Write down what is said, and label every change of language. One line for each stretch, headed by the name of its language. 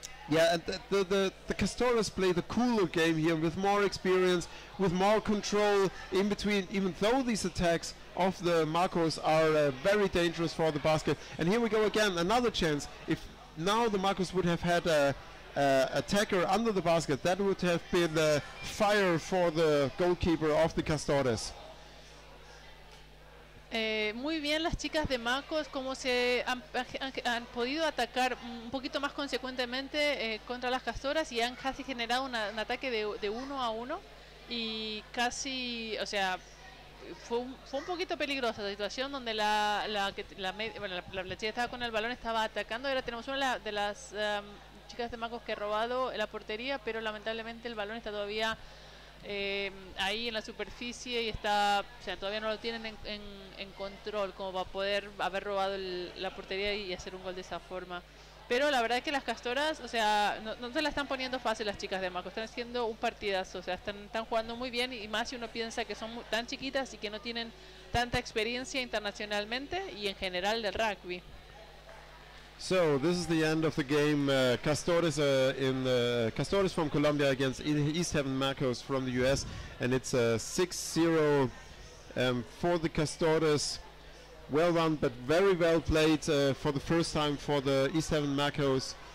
English: Yeah, and the Castores play the cooler game here with more experience, with more control in between, even though these attacks of the Makos are very dangerous for the basket. And here we go again, another chance. If now the Makos would have had a... attacker under the basket, that would have been the fire for the goalkeeper of the Castores.
Spanish: Muy bien las chicas de Makos, como se han podido atacar un poquito más consecuentemente contra las Castores, y han casi generado un ataque de 1-1, y casi, o sea, fue un poquito peligrosa la situación donde la chica estaba con el balón, estaba atacando. Ahora tenemos una de las chicas de Makos que ha robado la portería, pero lamentablemente el balón está todavía ahí en la superficie y está, o sea, todavía no lo tienen en control como para poder haber robado la portería y hacer un gol de esa forma. Pero la verdad es que las Castoras, o sea, no se la están poniendo fácil las chicas de Makos, están haciendo un partidazo, o sea, están jugando muy bien, y más si uno piensa que son tan chiquitas y que no tienen tanta experiencia internacionalmente y en general del rugby.
English: So this is the end of the game. Castores in the Castores from Colombia against East Haven Makos from the US, and it's a 6-0 for the Castores. Well done, but very well played for the first time for the East Haven Makos.